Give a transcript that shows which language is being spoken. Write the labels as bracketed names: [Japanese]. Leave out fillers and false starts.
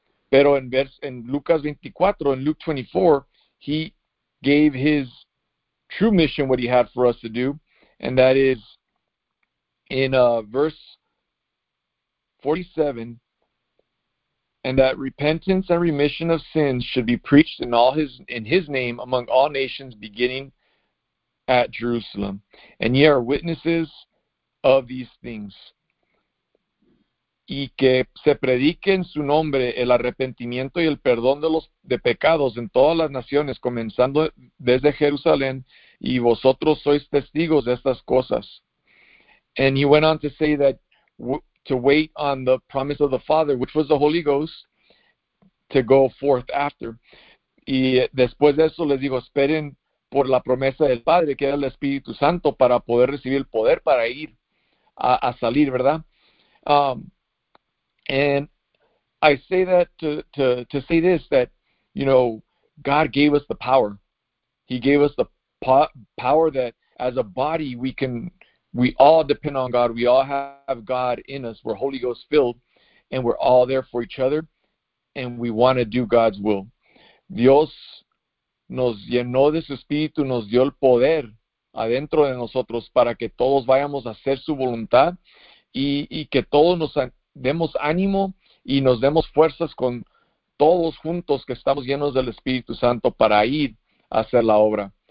[Spanish] Pero en Lucas 24, en [English] Luke 24, he gave his true mission, what he had for us to do, and that is in verse 47, and that repentance and remission of sins should be preached in his name among all nations, beginning at Jerusalem, and ye are witnesses of these things. [Spanish] Y que se predique en su nombre el arrepentimiento y el perdón de pecados en todas las naciones, comenzando desde Jerusalén, y vosotros sois testigos de estas cosas. [English] And he went on to say that w to wait on the promise of the Father, which was the Holy Ghost, to go forth after. [Spanish] Y después de eso les digo, esperen por la promesa del Padre, que era el Espíritu Santo, para poder recibir el poder para ir a salir, ¿verdad? [English] And I say that to say this, that, you know, God gave us the power. He gave us the power that as a body we all depend on God. We all have God in us. We're Holy Ghost filled, and we're all there for each other, and we want to do God's will. [Spanish] Dios nos llenó de su espíritu, nos dio el poder adentro de nosotros para que todos vayamos a hacer su voluntad y que todos nos demos ánimo y nos demos fuerzas con todos juntos que estamos llenos del Espíritu Santo para ir a hacer la obra.